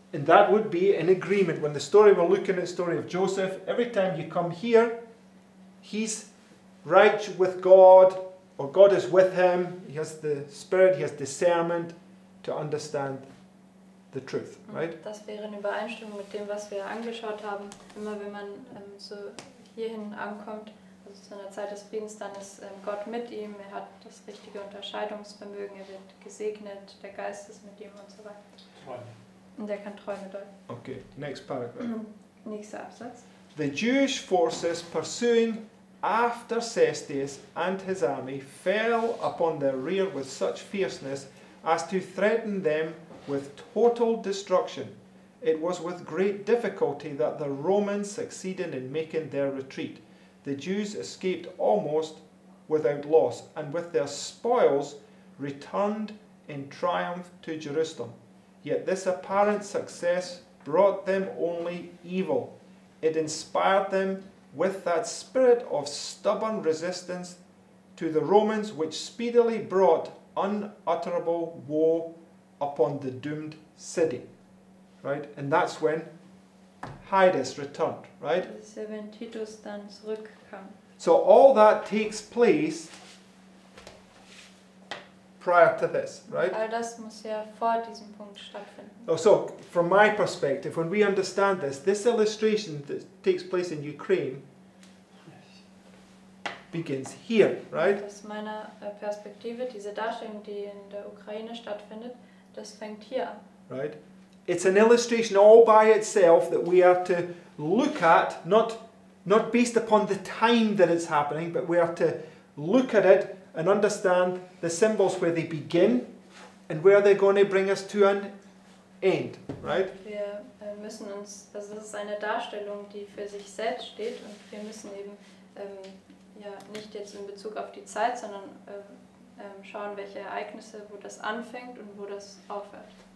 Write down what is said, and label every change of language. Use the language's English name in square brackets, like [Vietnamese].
[English] And that would be an agreement. When the story, we're looking at the story of Joseph, every time you come here, he's right with God, or God is with him, he has the spirit, he has discernment to understand the truth, right? [German] Das wäre in Übereinstimmung mit dem, was wir angeschaut haben. Immer wenn man so hierhin ankommt, also zu einer Zeit des Friedens, dann ist Gott mit ihm, er hat das richtige Unterscheidungsvermögen, er wird gesegnet, der Geist ist mit ihm und so weiter. Träume. Und er kann Träume deuten. [English] Okay, next paragraph. [German] Nächster Absatz. [English] the Jewish forces pursuing after Cestius and his army fell upon their rear with such fierceness as to threaten them with total destruction. It was with great difficulty that the Romans succeeded in making their retreat. The Jews escaped almost without loss, and with their spoils returned in triumph to Jerusalem. Yet this apparent success brought them only evil. It inspired them with that spirit of stubborn resistance to the Romans, which speedily brought unutterable woe upon the doomed city. Right? And that's when Titus returned, right? When Titus then [German] zurückkam. [English] So all that takes place prior to this, right? [German] All das muss ja vor diesem Punkt stattfinden. [English] Oh, so, from my perspective, when we understand this, this illustration that takes place in Ukraine begins here, right? [German] Aus meiner Perspektive, diese Darstellung, die in der Ukraine stattfindet, das fängt hier an. [English] Right? It's an illustration all by itself that we are to look at, not based upon the time that it's happening, but we are to look at it and understand the symbols, where they begin and where they're going to bring us to an end, right? [German] Wir müssen uns, also das ist eine Darstellung, die für sich selbst steht, und wir müssen eben ja nicht jetzt in Bezug auf die Zeit, sondern schauen, welche Ereignisse, wo das anfängt und wo das aufhört.